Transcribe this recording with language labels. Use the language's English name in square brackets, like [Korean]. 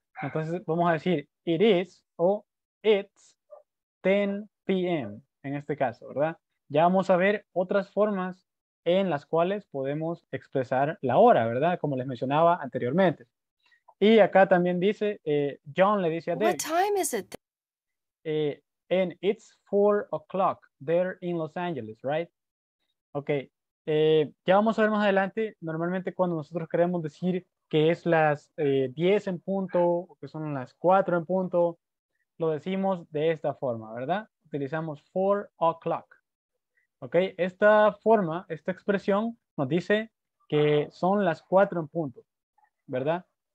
[Spanish] Entonces vamos a decir [English] it is [Spanish] o [English] it's 10 p.m. [Spanish] en este caso, ¿verdad? Ya vamos a ver otras formas en las cuales podemos expresar la hora, ¿verdad? Como les mencionaba anteriormente. Y acá también dice, John le dice a Dave. [English] What time is it? And it's 4 o'clock there in Los Angeles, right? [Spanish] Okay. Ya vamos a ver más adelante. Normalmente cuando nosotros queremos decir que es las 10 en punto, o que son las 4 en punto, lo decimos de esta forma, ¿verdad? Utilizamos 4 o'clock. ¿Ok? Esta forma, esta expresión, nos dice que son las 4 en punto, ¿verdad?